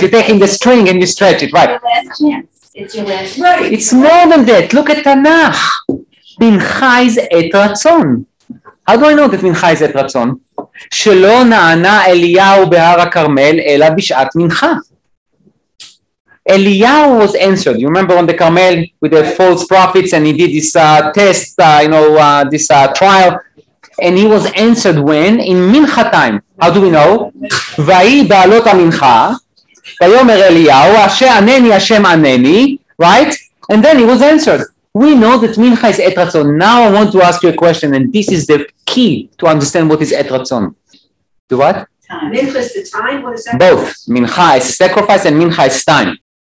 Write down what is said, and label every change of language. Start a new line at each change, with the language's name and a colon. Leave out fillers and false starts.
English: You're taking the string and you stretch it, right? Your last chance. It's your last chance. Right. It's more than that. Look at Tanakh. Mincha is et ratzon. How do I know that mincha is et ratzon?
Hebrew: שלא נענה אליהו בהר הכרמל אלא בשעת מנחה.
English: אליהו was answered. You remember on the Carmel with the false prophets and he did this test, this trial. And he was answered when? In מנחה time. How do we know?
Hebrew: ויהי בעלות המנחה, ויאמר אליהו, אשר ענני השם ענני, right?
English: And then he was answered. We know that mincha is et ratzon. Now I want to ask you a question, and this is the key to understand what is et ratzon. Do what? Time. Mincha is the time, what is that? Both. Mincha is sacrifice and mincha is time.